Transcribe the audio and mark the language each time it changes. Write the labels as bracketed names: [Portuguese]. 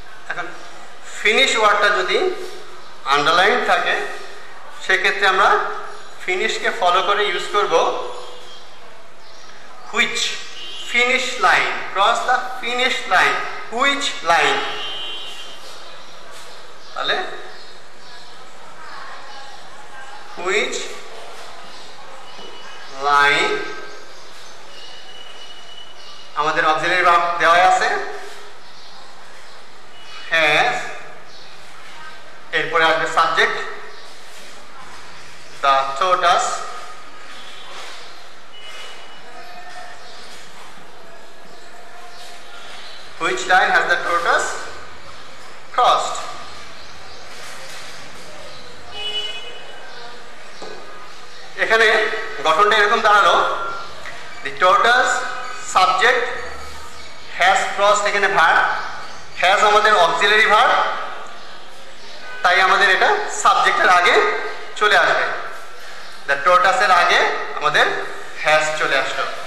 [Bangla] এখন finish ওয়ার্ডটা যদি আন্ডারলাইন থাকে সেক্ষেত্রে আমরা finish কে ফলো করে ইউজ করব which, finish line, [English] cross the finish line, which line? [Bangla] তাহলে which line আমাদের অবজেক্টিভ ভার্ব দেওয়া আছে, has, এরপরে আসবে subject, [English] the tortoise which line has the tortoise crossed? [Bangla] এখানে গঠনটা এরকম দাঁড়ালো, [English] the tortoise subject has crossed, [Bangla] এখানে verb has আমাদের অক্সিলারি verb, তাই আমাদের এটা সাবজেক্টের আগে চলে আসবে, the tortoise এর আগে আমাদের has চলে আসলো।